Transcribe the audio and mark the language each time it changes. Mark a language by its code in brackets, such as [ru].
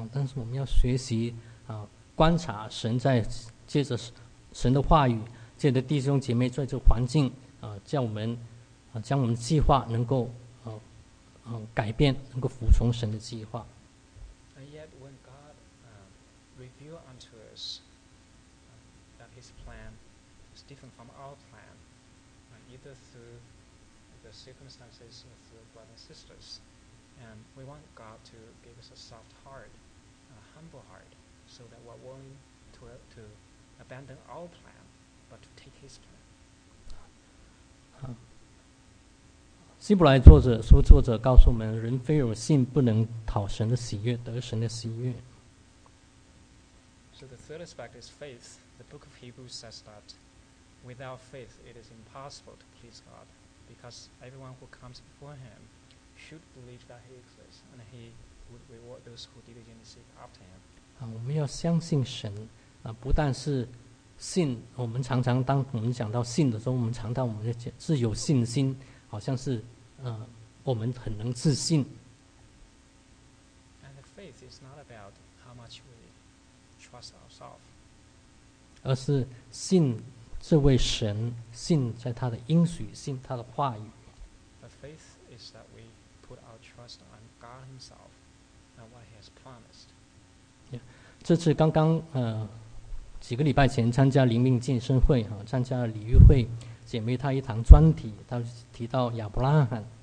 [zh] 但是我们要学习观察神在借着神的话语，借着弟兄姐妹在这环境叫我们将我们计划能够改变，能够服从神的计划。 [en] And yet when God revealed unto us that his plan is different from our plan, either through the circumstances or through brothers and sisters, and we want God to give us a soft heart, a humble heart, so that we're willing to abandon our plan but to take his plan. [zh] 希伯来作者告诉我们，人非有信不能讨神的喜悦，得神的喜悦。 [en] So the third aspect is faith. The book of Hebrews says that without faith it is impossible to please God, because everyone who comes before him should believe that he exists, and he would reward those who diligently seek after him. [zh] 我们要相信神不但是信，我们常常当我们讲到信的时候，我们常常我们是有信心，好像是我们很能自信。 [en] And faith is not about how much we trust ourselves, [zh] 而是信这位神，信在他的应许，信他的话语。 [en] But faith is that we put our trust on God himself and what he has promised. [zh] 这次刚刚几个礼拜前参加灵命健身会参加礼遇会，姐妹她一堂专题，她提到亚伯拉罕。